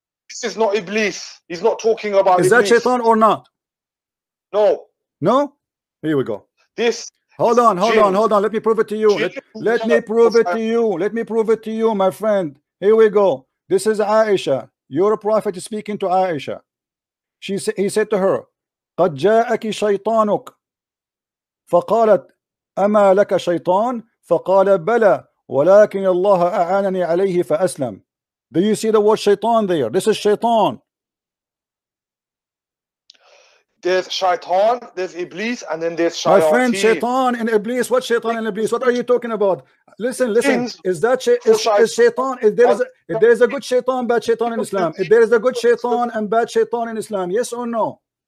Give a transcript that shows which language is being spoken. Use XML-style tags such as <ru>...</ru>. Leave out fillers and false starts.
<en>This is not Iblis. He's not talking about Iblis. Is that Shaitan or not? No. No. Here we go. This. Hold on. Let me prove it to you. Let me prove it to you, my friend. Here we go. This is Aisha. Your prophet is speaking to Aisha. He said to her,</en> <ar>قَدْ جَاءَكِ شَيْطَانُكَ فَقَالَتْ أَمَا لَكَ شَيْطَانُ فَقَالَ بَلَى وَلَكِنَ اللَّهَ أَعَانَنِي عَلَيْهِ فَأَسْلَمْ.</ar> <en>Do you see the word Shaitan there? This is Shaitan. There's Shaitan, there's Iblis, and then there's Shayatin. My friend, Shaitan and Iblis. What Shaitan and Iblis? What are you talking about? Listen, listen. Is that Shaitan? There is a good Shaitan, bad Shaitan in Islam? If there is a good Shaitan and bad Shaitan in Islam, yes or no?</en>